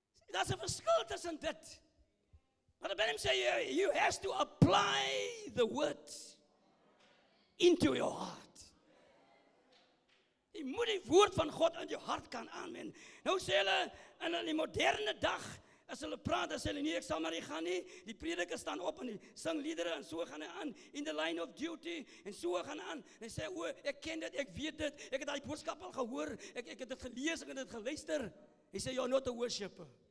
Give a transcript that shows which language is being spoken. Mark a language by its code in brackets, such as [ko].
[af] Dat is een verskil tussen dit. [en] But the Bible says you have to apply the word into your heart. [af] Jy moet die woord van God in jou hart kan aanwen. Nou sê hulle, in die moderne dag, as hulle praat, as hulle nie, ek sal maar nie gaan nie, die prediker staan op en die sing liedere en so gaan hy aan, [en] in the line of duty, [af] en so gaan hy aan, en hy sê, o, ek ken dit, ek weet dit, ek het die boodskap al gehoor, ek het dit gelees, ek het dit geluister, hy sê, [en] you're not a worshipper.